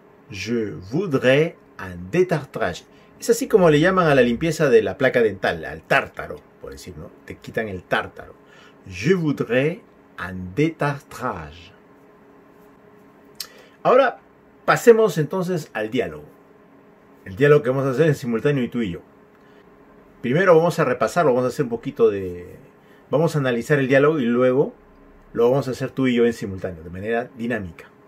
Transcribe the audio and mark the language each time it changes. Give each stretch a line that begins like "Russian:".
French: Je voudrais un détartrage.
Spanish: Es así como le llaman a la limpieza de la placa dental, al tártaro, por decirlo, ¿no? Te quitan el tártaro.
French: Je voudrais un détartrage.
Spanish: Ahora, pasemos entonces al diálogo. El diálogo que vamos a hacer en simultáneo y tú y yo. Primero vamos a repasarlo, vamos a hacer un poquito de... Vamos a analizar el diálogo y luego lo vamos a hacer tú y yo en simultáneo, de manera dinámica.